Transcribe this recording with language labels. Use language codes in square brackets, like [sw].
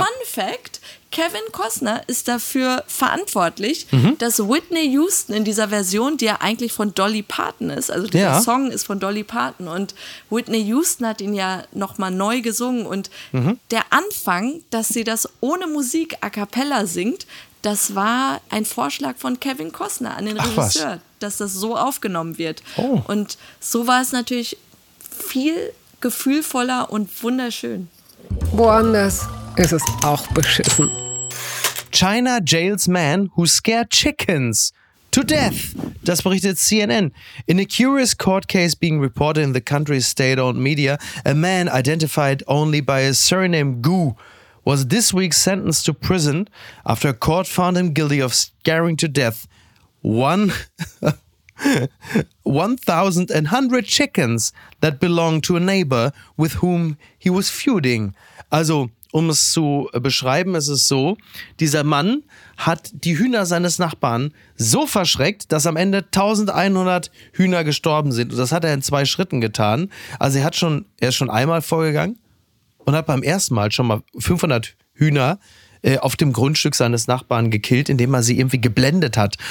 [de] Fun Fact, Kevin Costner ist dafür verantwortlich, mhm, dass Whitney Houston in dieser Version, die ja eigentlich von Dolly Parton ist, also dieser, ja, Song ist von Dolly Parton und Whitney Houston hat ihn ja nochmal neu gesungen und mhm, der Anfang, dass sie das ohne Musik a cappella singt, das war ein Vorschlag von Kevin Costner an den Regisseur, dass das so aufgenommen wird. Oh. Und so war es natürlich viel gefühlvoller und wunderschön. Woanders ist es auch beschissen. [en] China jails man who scared chickens to death. [de] Das berichtet CNN. [en] In a curious court case being reported in the country's state-owned media, a man identified only by his surname Gu was this week sentenced to prison after a court found him guilty of scaring to death 1,100 chickens that belonged to a neighbor with whom he was feuding. [de] Also, um es zu beschreiben, ist es so, dieser Mann hat die Hühner seines Nachbarn so verschreckt, dass am Ende 1100 Hühner gestorben sind. Und das hat er in zwei Schritten getan. Also er ist schon einmal vorgegangen und hat beim ersten Mal schon mal 500 Hühner auf dem Grundstück seines Nachbarn gekillt, indem er sie irgendwie geblendet hat.